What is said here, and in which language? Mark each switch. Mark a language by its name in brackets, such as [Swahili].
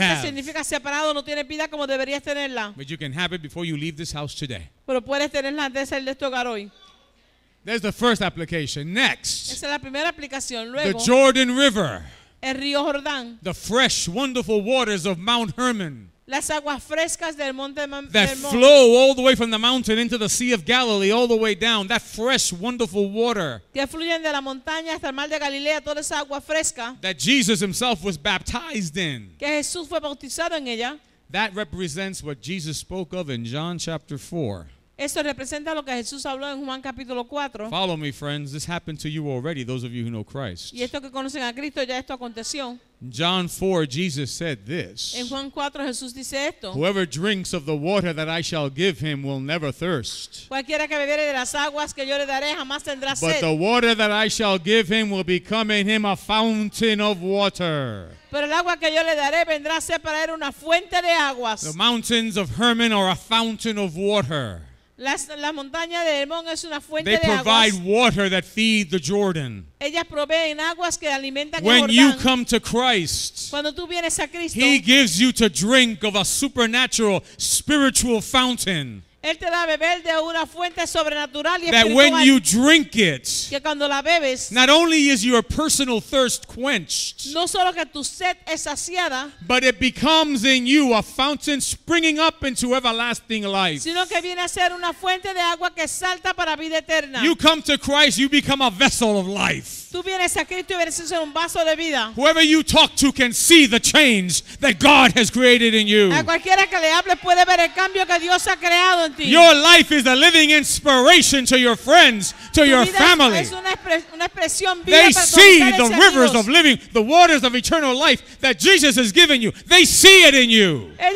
[Spanish] La palabra muerto significa separado, no tienes vida como deberías tenerla. [English] But you can have it before you leave this house today. [Spanish] Pero puedes tenerla antes de salir de este hogar hoy. [English] There's the first application. Next, [Spanish] esa es la primera aplicación. Luego, [English] the Jordan River, [Spanish] el río Jordán, [English] the fresh, wonderful waters of Mount Hermon, [Spanish] las aguas frescas del monte [English] that flow all the way from the mountain into the Sea of Galilee, all the way down. That fresh, wonderful water [Spanish] que fluyen de la montaña hasta el mar de Galilea, toda esa agua fresca [English] that Jesus Himself was baptized in, [Spanish] que Jesús fue bautizado en ella. [English] That represents what Jesus spoke of in John chapter 4. [Spanish] Esto representa lo que Jesús habló en Juan capítulo 4. [English] Follow me, friends. This happened to you already, those of you who know Christ. [Spanish] Y esto que conocen a Cristo, ya esto aconteció. [English] John 4, Jesus said this. [Spanish] En Juan 4, Jesús dice esto. [English] Whoever drinks of the water that I shall give him will never thirst. [Spanish] Cualquiera que bebiere de las aguas que yo le daré jamás tendrá sed. [English] But the water that I shall give him will become in him a fountain of water. [Spanish] Pero el agua que yo le daré vendrá a ser para él una fuente de aguas. [English] The mountains of Hermon are a fountain of water. [Spanish] La montaña de Hermón es una fuente de aguas. [English] They provide water that feed the Jordan. [Spanish] Ellas proveen aguas que alimentan el [English] Jordán. When you come to Christ, [Spanish] cuando tú vienes a Cristo, [English] He gives you to drink of a supernatural, spiritual fountain. [Spanish] Él te da a beber de una fuente sobrenatural y espiritual. [English] That when you drink it, [Spanish] que cuando la bebes, [English] not only is your personal thirst quenched, [Spanish] no solo que tu sed es saciada, [English] but it becomes in you a fountain springing up into everlasting life, [Spanish] sino que viene a ser una fuente de agua que salta para vida eterna. [English] You come to Christ, you become a vessel of life. [Spanish] Tú vienes a Cristo y vienes a ser un vaso de vida. [English] Whoever you talk to can see the change that God has created in you. [Spanish] A cualquiera que le hable puede ver el cambio que Dios ha creado. [English] Your life is a living inspiration to your friends, to your family. They see the rivers of living, the waters of eternal life that Jesus has given you. They see it in you.